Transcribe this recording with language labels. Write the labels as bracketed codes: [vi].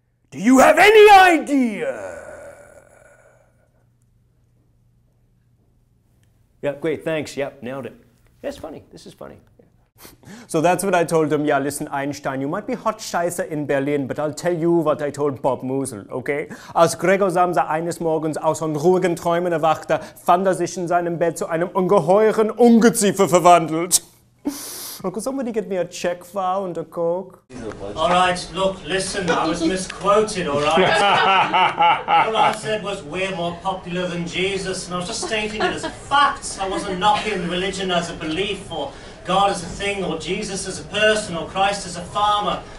[en] Do you have any idea? Yeah, great, thanks. Yep, nailed it. That's funny. This is funny. So that's what I told him. Yeah, listen, Einstein, you might be hot scheiße in Berlin, but I'll tell you what I told Bob Musel, okay? [de] Als Gregor Samsa eines Morgens aus von ruhigen Träumen erwachte, fand er sich in seinem Bett zu einem ungeheuren Ungeziefer verwandelt. [en] Well, could somebody get me a check file and a coke? All right, look, listen, I was misquoted, all right? All I said was we're more popular than Jesus, and I was just stating it as facts. I wasn't knocking religion as a belief, or God as a thing, or Jesus as a person, or Christ as a farmer.